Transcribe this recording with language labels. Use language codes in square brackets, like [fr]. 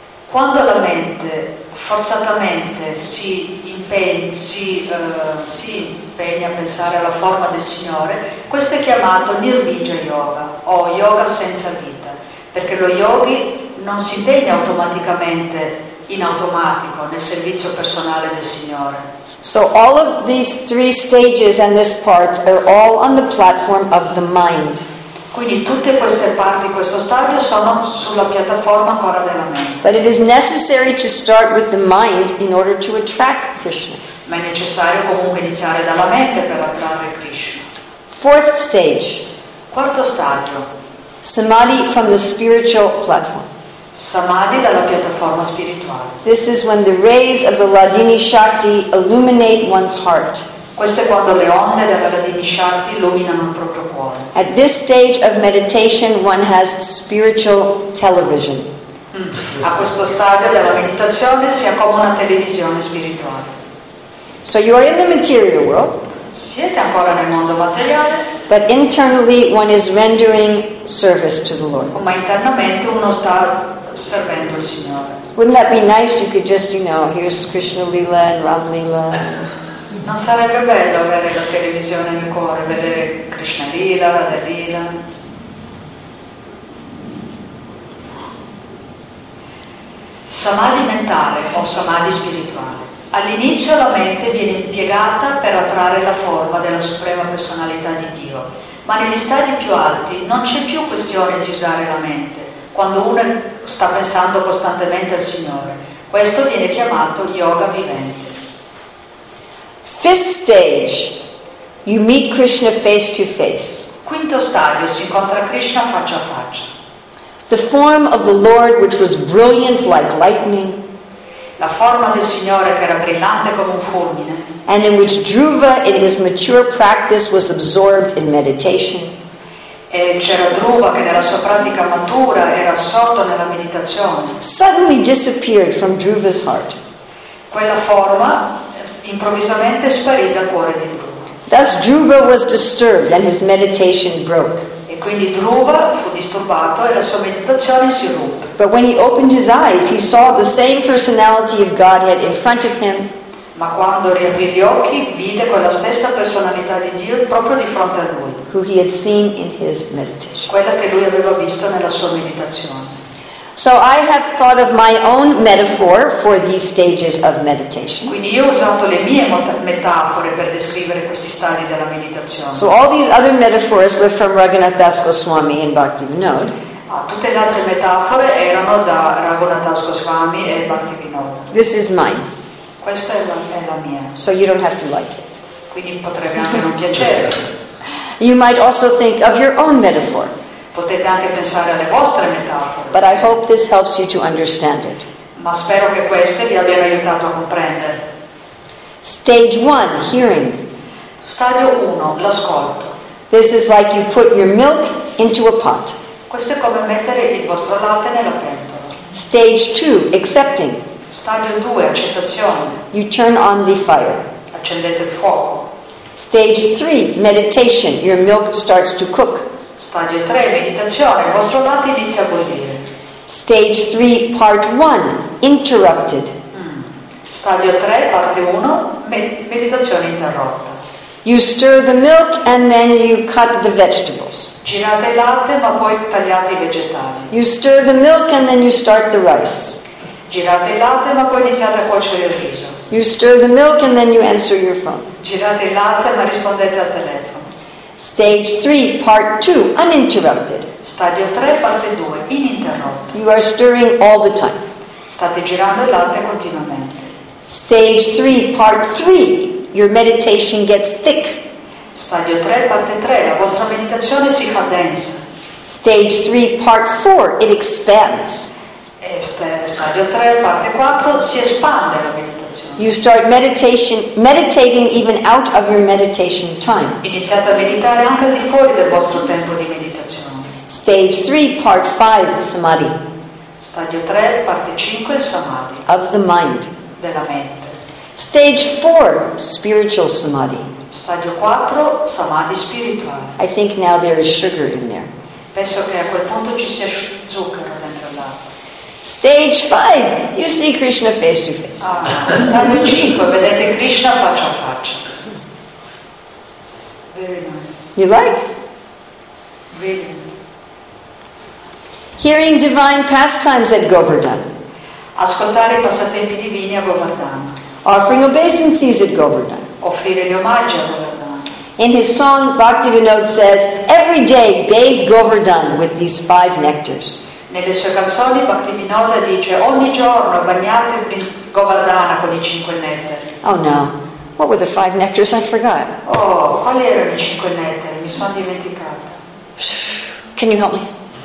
[it] Quando la mente forzatamente si impegna a pensare alla forma del Signore, questo è chiamato Nirbija Yoga o Yoga senza vita, perché lo yogi non si impegna automaticamente in automatico nel servizio personale del Signore. [en] So all of these three stages and this part are all on the platform of the mind. [it] Quindi tutte queste parti, questo stadio, sono sulla piattaforma ancora della mente. [en] But it is necessary to start with the mind in order to attract Krishna. [it] Ma è necessario comunque iniziare dalla mente per attrarre Krishna. [en] Fourth stage. [it] Quarto stadio. [en] Samadhi from the spiritual platform. [it] Samadhi dalla piattaforma spirituale. [en] This is when the rays of the Ladini Shakti illuminate one's heart. [it] Questo è quando le onde della Ladini Shakti illuminano il proprio cuore. [en] At this stage of meditation, one has spiritual television. [it] A questo stadio della meditazione si ha come una televisione spirituale. [en] So you are in the material world. [it] Siete ancora nel mondo materiale. [en] But internally, one is rendering service to the Lord. [it] Ma internamente uno sta servendo il Signore. [en] Wouldn't that be nice? You could just, you know, here's Krishna Lila and Ram Lila. [it] Non sarebbe bello avere la televisione nel cuore, vedere Krishna Lila, Radha Lila. Samadhi mentale o samadhi spirituale. All'inizio la mente viene impiegata per attrarre la forma della suprema personalità di Dio, ma negli stadi più alti non c'è più questione di usare la mente quando uno sta pensando costantemente al Signore. Questo viene chiamato yoga vivente. [en] Fifth stage, you meet Krishna face to face. [it] Quinto stadio, si incontra Krishna faccia a faccia. [en] The form of the Lord, which was brilliant like lightning, [it] la forma del Signore che era brillante come un fulmine, [en] and in which Dhruva, in his mature practice, was absorbed in meditation. [it] E c'era Dhruva che nella sua pratica matura era assorto nella meditazione. [en] Suddenly disappeared from Dhruva's heart. [it] Quella forma improvvisamente sparì dal cuore di Dhruva. [en] Thus Dhruva was disturbed and his meditation broke. [it] E quindi Dhruva fu disturbato e la sua meditazione si ruppe. [en] But when he opened his eyes, he saw the same personality of Godhead in front of him. [it] Ma quando riaprì gli occhi, vide quella stessa personalità di Dio proprio di fronte a lui. [en] Who he had seen in his meditation. [it] Quella che lui aveva visto nella sua meditazione. [en] So I have thought of my own metaphor for these stages of meditation. [it] Quindi io ho usato le mie metafore per descrivere questi stadi della meditazione. [en] So all these other metaphors were from Raghunath Das Goswami in Bhaktivinoda. [it] tutte le altre metafore erano da Raghunath Das Goswami e Bhakti Vinod. [en] This is mine. [it] Questa è la mia. [en] So you don't have to like it. [it] Quindi potrebbe anche non piacere. [en] You might also think of your own metaphor. [it] Potete anche pensare alle vostre metafore. [en] But I hope this helps you to understand it. [it] Ma spero che queste vi abbiano aiutato a comprendere. [en] Stage 1, hearing. [it] Stadio 1, l'ascolto. [en] This is like you put your milk into a pot. [it] Questo è come mettere il vostro latte nella pentola. [en] Stage 2, accepting. [it] Stadio 2, accettazione. [en] You turn on the fire. [it] Accendete il fuoco. [en] Stage 3, meditation. Your milk starts to cook. [it] Stadio 3, meditazione. Il vostro latte inizia a bollire. [en] Stage 3, part 1, interrupted. [it] Stadio 3, parte 1, meditazione interrotta. [en] You stir the milk and then you cut the vegetables. [it] Girate il latte ma poi tagliate i vegetali. [en] You stir the milk and then you start the rice. [it] Girate il latte ma poi iniziate a cuocere il riso. [en] You stir the milk and then you answer your phone. [it] Girate il latte ma rispondete al telefono. [en] Stage 3, part 2, uninterrupted. [it] Stadio 3, parte 2, ininterrotto. [en] You are stirring all the time. [it] State girando il latte continuamente. [en] Stage 3, part 3, your meditation gets thick. [it] Stadio 3, parte 3, la vostra meditazione si fa densa. [en] Stage 3, part 4, it expands. [it] Stadio 3, parte 4, si espande la meditazione. [en] You start meditating even out of your meditation time. [it] Iniziate a meditare anche al di fuori del vostro tempo di meditazione. [en] Stage 3, part 5, samadhi. [it] Stadio 3, parte 5, samadhi. [en] Of the mind. [it] Della mente. [en] Stage 4, spiritual samadhi. [it] Stadio 4, samadhi spirituale. [en] I think now there is sugar in there. [it] Penso che a quel punto ci sia zucchero dentro là. [en] Stage 5, you see Krishna face to face. [it] Stadio 5, vedete Krishna faccia a faccia. [en] Very nice. You like? Brilliant. Hearing divine pastimes at Govardhan. [it] Ascoltare i passatempi divini a Govardhan. [en] Offering obeisances at Govardhan. [it] Offrire gli omaggi a Govardhan. [en] In his song, Bhaktivinod says, every day bathe Govardhan with these five nectars. [it] Nelle sue canzoni, Bhaktivinod dice, ogni giorno bagnate Govardhan con i cinque nettari. [en] Oh no, what were the five nectars? I forgot. [it] Oh, quali erano i cinque nettari? Mi sono dimenticata. [en] Can you help me?